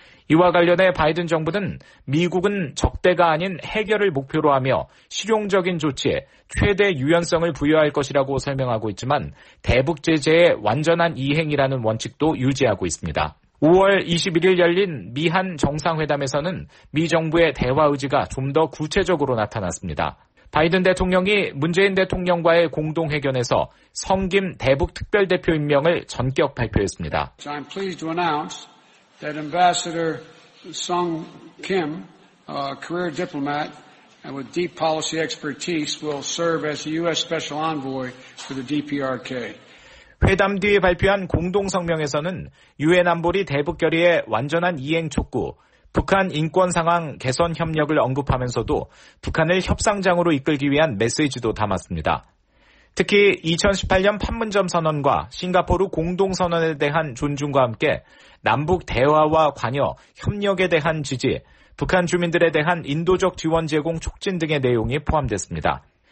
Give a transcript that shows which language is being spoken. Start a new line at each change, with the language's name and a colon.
Korean: 이와 관련해 바이든 정부는 미국은 적대가 아닌 해결을 목표로 하며 실용적인 조치에 최대 유연성을 부여할 것이라고 설명하고 있지만 대북 제재의 완전한 이행이라는 원칙도 유지하고 있습니다. 5월 21일 열린 미한 정상회담에서는 미 정부의 대화 의지가 좀 더 구체적으로 나타났습니다. 바이든 대통령이 문재인 대통령과의 공동회견에서 성 김 대북 특별대표 임명을 전격 발표했습니다.
English: I'm pleased to announce that Ambassador Song Kim, a career diplomat and with deep policy expertise, will serve as the U.S. Special Envoy for the DPRK.
Korean: 회담 뒤에 발표한 공동 성명에서는 유엔 안보리 대북 결의의 완전한 이행 촉구, 북한 인권 상황 개선 협력을 언급하면서도 북한을 협상장으로 이끌기 위한 메시지도 담았습니다. 특히 2018년 판문점 선언과 싱가포르 공동선언에 대한 존중과 함께 남북 대화와 관여, 협력에 대한 지지, 북한 주민들에 대한 인도적 지원 제공 촉진 등의 내용이 포함됐습니다.